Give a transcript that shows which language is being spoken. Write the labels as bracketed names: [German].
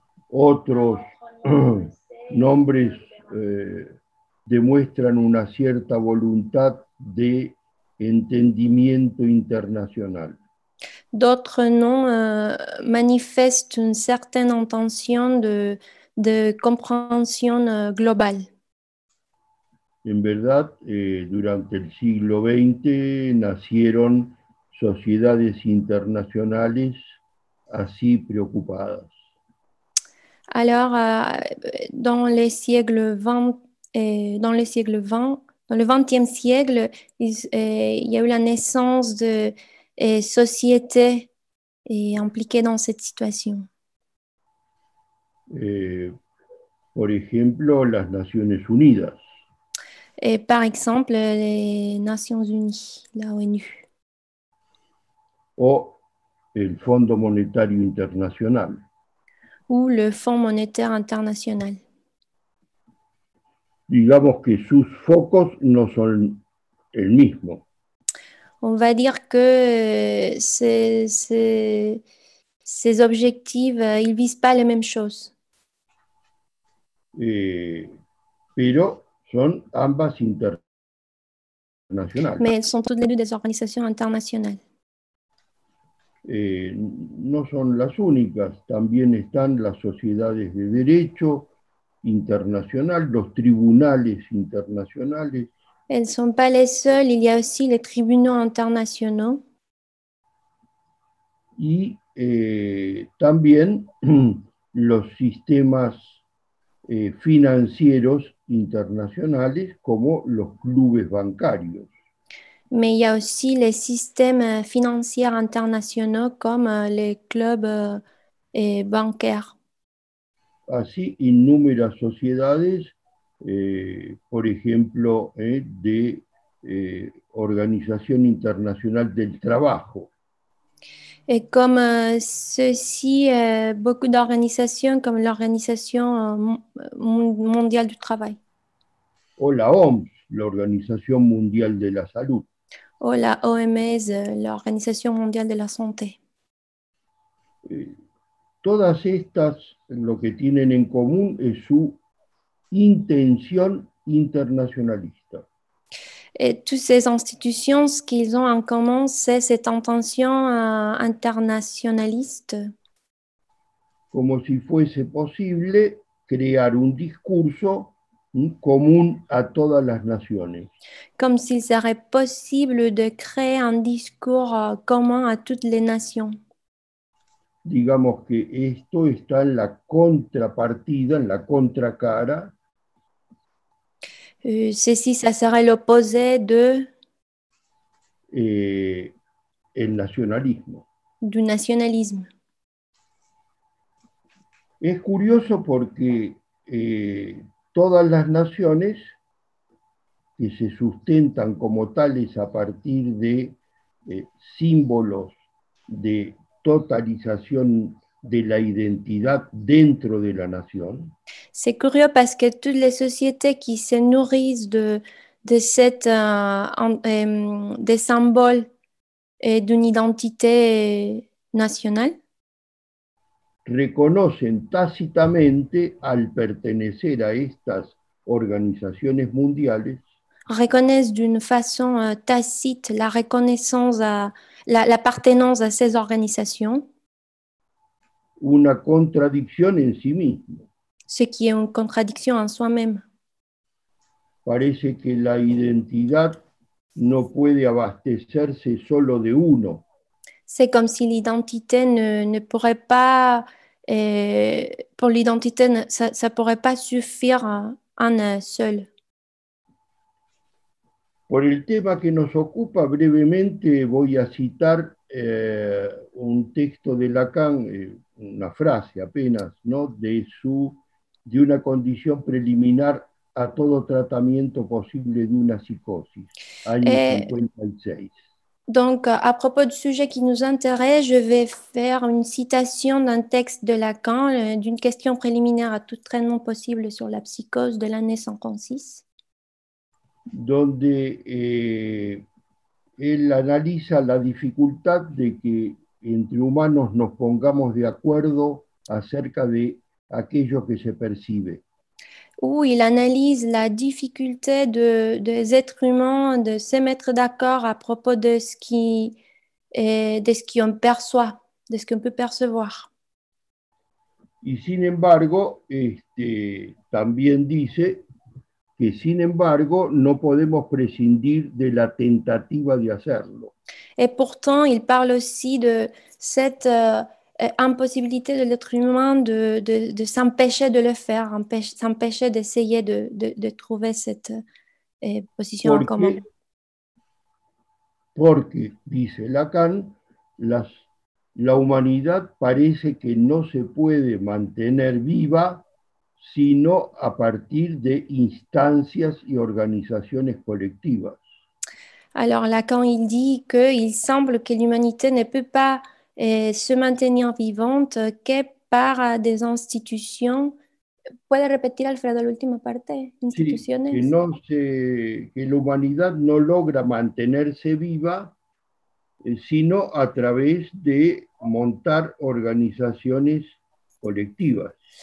[Spanish] Otros nombres demuestran una cierta voluntad de entendimiento internacional. [French] D'autres noms manifestent une certaine intention de compréhension globale. [Spanish] En verdad, durante el siglo XX nacieron sociedades internacionales así preocupadas. [French] Alors, dans les siècles 20 et dans le siècle 20, dans le 20e siècle, il y a eu la naissance de sociétés impliquées dans cette situation. [Spanish] Por ejemplo, las Naciones Unidas. [French] Et par exemple, les Nations Unies, la ONU. [Spanish] O el Fondo Monetario Internacional. [French] Ou le Fonds monétaire international. [Spanish] Digamos que sus focos no son el mismo. [French] On va dire que ces objectifs, ils visent pas les mêmes choses. [Spanish] Pero son ambas internacionales. [French] Mais elles sont toutes les deux des organisations internationales. [Spanish] No son las únicas, también están las sociedades de derecho internacional, los tribunales internacionales. [French] Elles ne sont pas les seules, il y a aussi les tribunaux internationaux. [Spanish] Y también los sistemas financieros internacionales como los clubes bancarios. [French] Mais il y a aussi les systèmes financiers internationaux comme les clubs et bancaires. [Spanish] Así, innumerables sociedades, por ejemplo, de Organización Internacional del Trabajo. [French] Et comme ceci, beaucoup d'organisations comme l'Organisation mondiale du travail. [Spanish] O la OMS, la Organización Mundial de la Salud. [French] Ou la OMS, l'Organisation mondiale de la santé. [Spanish] Todas estas lo que tienen en común es su intención internacionalista. [French] Et toutes ces institutions, ce qu'ils ont en commun, c'est cette intention internationaliste. [Spanish] Como si fuese posible crear un discurso común a todas las naciones. [French] Comme s'il serait possible de créer un discours commun à toutes les nations. [Spanish] Digamos que esto está en la contrapartida, en la contracara [French] Ceci, ça serait l'opposé de [Spanish] el nacionalismo. [French] du nationalisme. [Spanish] Es curioso porque todas las naciones que se sustentan como tales a partir de símbolos [French] de totalisation de la identidad dentro de la nación. C'est curieux parce que toutes les sociétés qui se nourrissent de symboles et d'une identité nationale [Spanish] reconocen tácitamente al pertenecer a estas organizaciones mundiales [French] reconnaissent d'une façon tacite la reconnaissance à l'appartenance à ces organisations [Spanish] una contradicción en sí mismo. [French] Ce qui est une contradiction en soi-même. [Spanish] Parece que la identidad no puede abastecerse solo de uno. [French] C'est comme si l'identité ne pourrait pas pour l'identité ça pourrait pas suffire en seul. [Spanish] Por el tema que nos ocupa brevemente voy a citar un texto de Lacan, una frase apenas, ¿no? De una condición preliminar a todo tratamiento posible de una psicosis, año 56. [French] Donc, à propos du sujet qui nous intéresse, je vais faire une citation d'un texte de Lacan, d'une question préliminaire à tout traitement possible sur la psychose de l'année 56. [Spanish] Donde él analiza la dificultad de que entre humanos nos pongamos de acuerdo acerca de aquello que se percibe. [French] Où il analyse la difficulté des êtres humains de se mettre d'accord à propos de ce qui on perçoit, de ce qu'on peut percevoir. [Spanish] Y sin embargo, también dice que sin embargo no podemos prescindir de la tentativa de hacerlo. [French] Et pourtant, il parle aussi de cette impossibilité de l'être humain de s'empêcher de le faire, s'empêcher d'essayer de trouver cette position en commun. [Spanish] Porque, dice Lacan, la humanidad parece que no se puede mantener viva sino a partir de instancias y organizaciones colectivas. [French] Alors Lacan, il dit qu'il semble que l'humanité ne peut pas et se maintenir vivante que par des institutions. [Spanish] ¿Puede repetir, Alfredo, la última parte? Instituciones. Sí, que la humanidad no logra mantenerse viva sino a través de montar organizaciones colectivas.